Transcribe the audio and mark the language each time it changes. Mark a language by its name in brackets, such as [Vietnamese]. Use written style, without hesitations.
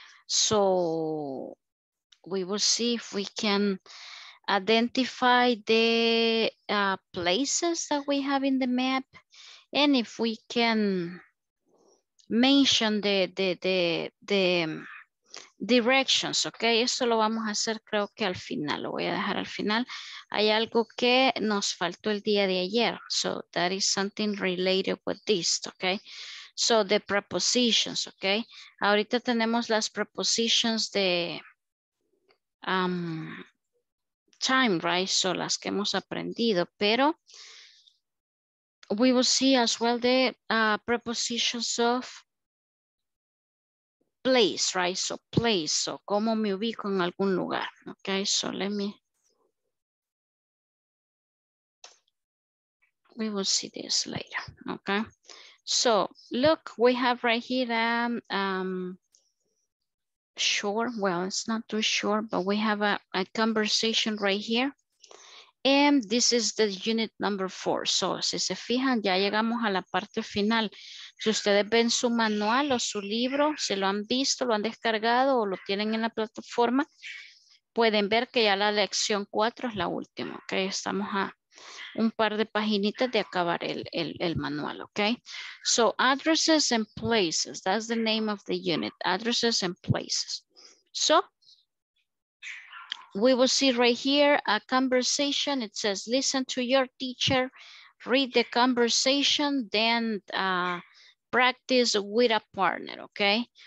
[English] So we will see if we can identify the places that we have in the map and if we can mention the directions, okay? [Spanish] Eso lo vamos a hacer creo que al final, lo voy a dejar al final. Hay algo que nos faltó el día de ayer. [English] So that is something related with this, okay? So the prepositions, okay? [Spanish] Ahorita tenemos las [English] prepositions [Spanish] de [English] time, right? So [Spanish] las que hemos aprendido, pero [English] we will see as well the prepositions of place, right? So place, so [Spanish] cómo me ubico en algún lugar, okay? [English] So let me, we will see this later, okay? So look, we have right here a sure, well, it's not too sure, but we have a conversation right here. And this is the unit number 4. So [Spanish] si se fijan, ya llegamos a la parte final. Si ustedes ven su manual o su libro, si lo han visto, lo han descargado o lo tienen en la plataforma, pueden ver que ya la lección 4 es la última, okay? Estamos a un par de paginitas de acabar el manual, okay? [English] So addresses and places, that's the name of the unit, addresses and places. So we will see right here a conversation. It says, listen to your teacher, read the conversation, then practice with a partner, okay?